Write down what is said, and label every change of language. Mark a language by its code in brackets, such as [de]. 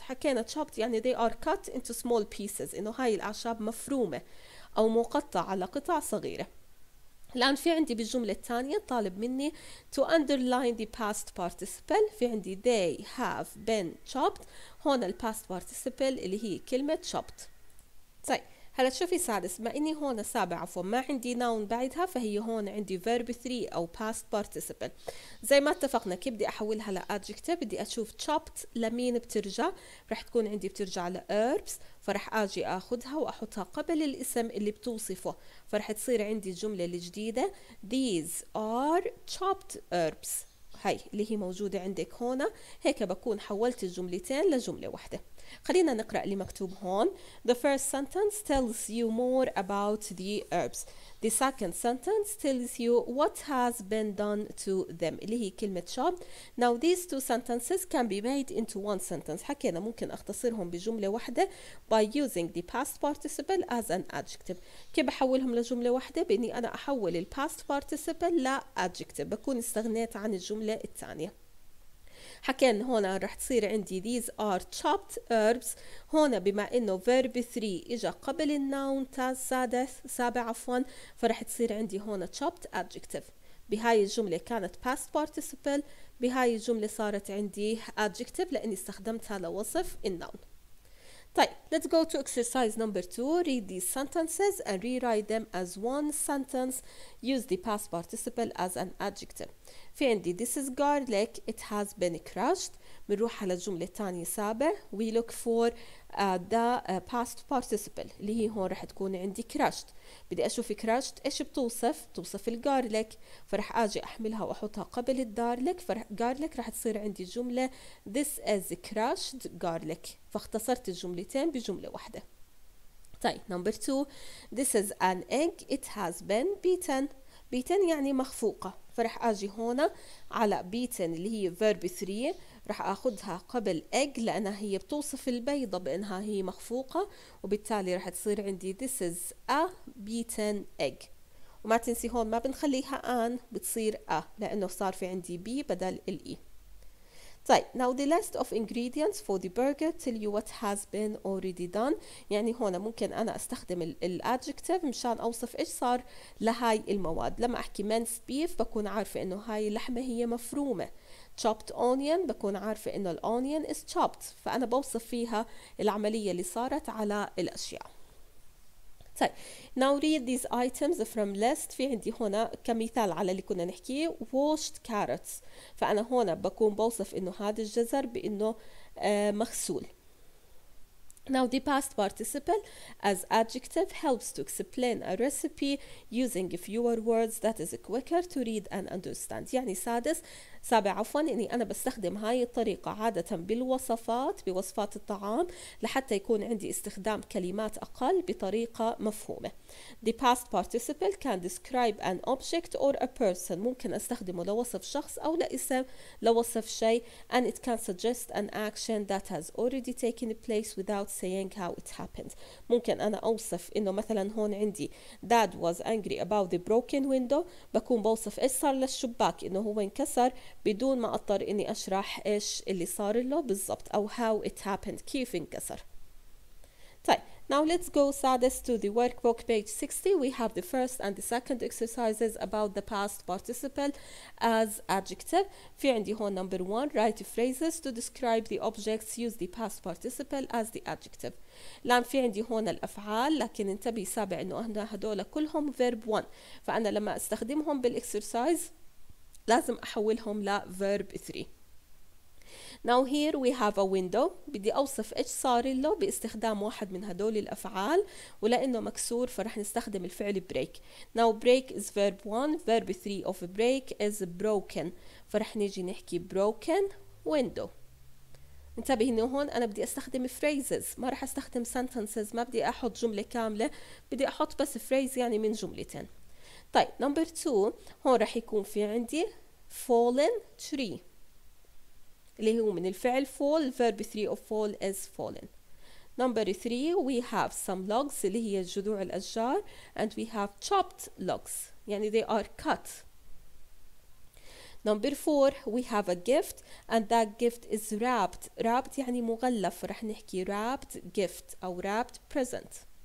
[en] حكينا chopped يعني they are cut into small pieces. [ar] إنه هاي الأعشاب مفرومة أو مقطعة على قطع صغيرة. الآن في عندي بالجملة الثانية طالب مني [en] to underline the past participle. [ar] في عندي [en] they have been chopped. [ar] هون ال past participle اللي هي كلمة chopped. طيب هلا شوفي سادس ما إني هون سابع عفوا ما عندي noun بعدها فهي هون عندي verb 3 أو past participle. زي ما اتفقنا كيف بدي أحولها لأدجكتيف بدي أشوف chopped لمين بترجع. رح تكون عندي بترجع لherbs فرح أجي أخذها وأحطها قبل الاسم اللي بتوصفه فرح تصير عندي الجملة الجديدة [en] These are chopped herbs. [ar] هاي اللي هي موجودة عندك هنا هيك بكون حولت الجملتين لجملة واحدة. خلينا نقرأ اللي مكتوب هون. [en] The first sentence tells you more about the herbs. The second sentence tells you what has been done to them. [ar] اللي هي كلمة chop. [en] Now these two sentences can be made into one sentence. [ar] حكينا ممكن أختصرهم بجملة واحدة [en] by using the past participle as an adjective. [ar] كيف بحولهم لجملة واحدة؟ بإني أنا أحول الباست participle لأدجكتيف. بكون استغنيت عن الجملة الثانية. حكينا هنا رح تصير عندي [en] these are chopped herbs. [ar] هنا بما إنه verb 3 إجا قبل النون تاز سابع عفوا، فرح تصير عندي هنا chopped adjective. بهاي الجملة كانت past participle، بهاي الجملة صارت عندي adjective لأني استخدمتها لوصف النون. [en] طيب let's go to exercise number 2. Read these sentences and rewrite them as one sentence. Use the past participle as an adjective. [ar] في عندي [en] this is garlic, it has been crushed. [ar] منروح على الجملة الثانية سابع، [en] we look for past participle [ar] اللي هي هون رح تكون عندي crushed. بدي أشوف crushed إيش بتوصف، توصف الgarlic، فرح أجي أحملها وأحطها قبل الgarlic، فرح garlic رح تصير عندي جملة [en] this is crushed garlic، [ar] فاختصرت الجملتين بجملة واحدة. [en] طيب number 2، this is an egg, it has been beaten. [ar] beaten يعني مخفوقة، فرح أجي هون على beaten اللي هي verb 3 رح أخذها قبل egg لأنها هي بتوصف البيضة بأنها هي مخفوقة، وبالتالي رح تصير عندي [en] this is a beaten egg. [ar] وما تنسي هون ما بنخليها an، بتصير a لأنه صار في عندي b بدل ال e. [en] طيب now the list of ingredients for the burger tell you what has been already done. [ar] يعني هون ممكن أنا أستخدم ال adjective مشان أوصف إيش صار لهاي المواد. لما أحكي minced beef بكون عارفة إنه هاي اللحمة هي مفرومة. chopped onion بكون عارفة إنه [en] the onion is chopped، [ar] فأنا بوصف فيها العملية اللي صارت على الأشياء. [en] Now read these items from list. [ar] في عندي هنا كمثال على اللي كنا نحكيه [en] washed carrots، [ar] فأنا هنا بكون بوصف إنه هذا الجزر بإنه مغسول. [en] Now the past participle as adjective helps to explain a recipe using fewer words that is quicker to read and understand. [ar] يعني سادس سابع عفوا إني أنا بستخدم هاي الطريقة عادة بالوصفات بوصفات الطعام لحتى يكون عندي استخدام كلمات أقل بطريقة مفهومة. [en] The past participle can describe an object or a person. [ar] ممكن أستخدمه لوصف شخص أو لإسم لوصف شيء. [en] And it can suggest an action that has already taken place without saying how it happened. [ar] ممكن أنا أوصف إنه مثلا هون عندي [en] dad was angry about the broken window، [ar] بكون بوصف إيش صار للشباك إنه هو انكسر بدون ما أضطر إني أشرح إيش اللي صار له بالضبط أو [en] how it happened [ar] كيف انكسر. [en] طيب now let's go sadness to the workbook page 60. We have the first and the second exercises about the past participle as adjective. [ar] في عندي هون [en] number 1 write phrases to describe the objects use the past participle as the adjective. [ar] لان في عندي هون الأفعال لكن انتبهي سابع إنه هدول كلهم verb 1، فأنا لما أستخدمهم بالexercise لازم أحولهم لverb 3. [en] Now here we have a window. [ar] بدي أوصف إيش صار له باستخدام واحد من هدول الأفعال، ولأنه مكسور فرح نستخدم الفعل break. [en] Now break is verb 1. Verb 3 of break is broken. [ar] فرح نيجي نحكي [en] broken window. [ar] انتبه إنه هون أنا بدي أستخدم phrases، ما رح أستخدم sentences، ما بدي أحط جملة كاملة، بدي أحط بس phrase يعني من جملتين. طيب number 2 هون رح يكون في عندي [en] fallen tree [ar] اللي هو من الفعل fall. [en] verb 3 of fall is fallen. number 3 we have some logs [ar] اللي هي جذوع الأشجار، [en] and we have chopped logs يعني they are cut. number 4 we have a gift and that gift is wrapped. [ar] wrapped يعني مغلف، رح نحكي [en] wrapped gift [ar] أو [en] wrapped present.